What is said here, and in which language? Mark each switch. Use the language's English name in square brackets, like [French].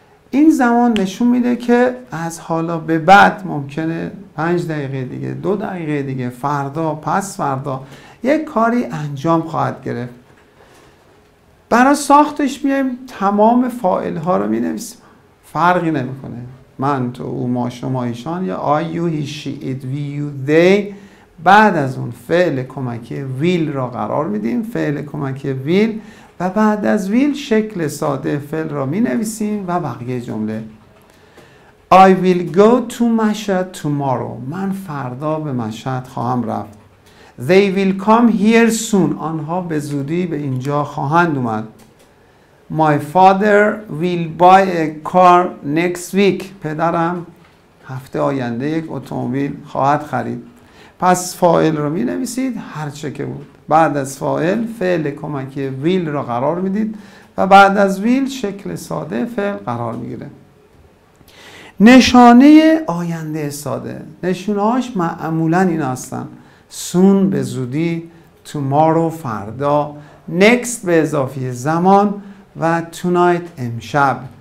[Persian] این زمان نشون میده که از حالا به بعد ممکنه 5 دقیقه دیگه، 2 دقیقه دیگه، فردا، پس فردا یک کاری انجام خواهد گرفت. برای ساختش میایم تمام فاعل ها رو مینویسیم، فرقی نمیکنه. من، تو، او، ما، شما، ایشان، یا I, you, he, she, it, we, you, they. بعد از اون فعل کمکی will را قرار میدیم، فعل کمکی will، و بعد از will شکل ساده فعل را مینویسیم و بقیه جمله. [English] I will go to Mashhad tomorrow، [Persian] من فردا به مشهد خواهم رفت. [English] They will come here soon، [Persian] آنها به زودی به اینجا خواهند اومد. [English] My father will buy a car next week، [Persian] پدرم هفته آینده یک اتومبیل خواهد خرید. پس فاعل رو می نویسید هر چه که بود. بعد از فاعل فعل کمکی will را قرار میدید و بعد از will شکل ساده فعل قرار میگیره. نشانه آینده ساده، نشونهاش معمولا این هستن: soon به زودی، tomorrow فردا، next به اضافه زمان، و tonight امشب.